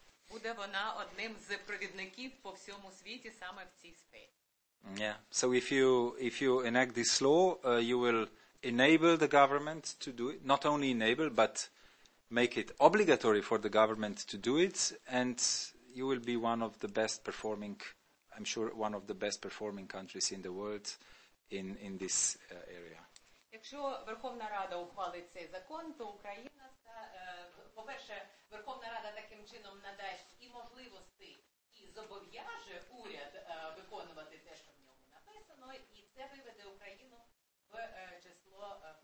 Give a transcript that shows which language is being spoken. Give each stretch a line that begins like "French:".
Ukrainian: Буде вона одним з провідників по всьому світі саме в цій сфері.
English: Yeah. So if you enact this law, you will enable the government to do it, not only enable but make it obligatory for the government to do it, and you will be one of the best performing, I'm sure one of the best performing countries in the world in this area.
Ukrainian: Якщо Верховна Рада ухвалить цей закон, то Україна, по-перше, Верховна Рада таким чином надасть і можливості, і зобов'яже уряд виконувати те, що в ньому написано, і це виведе Україну в число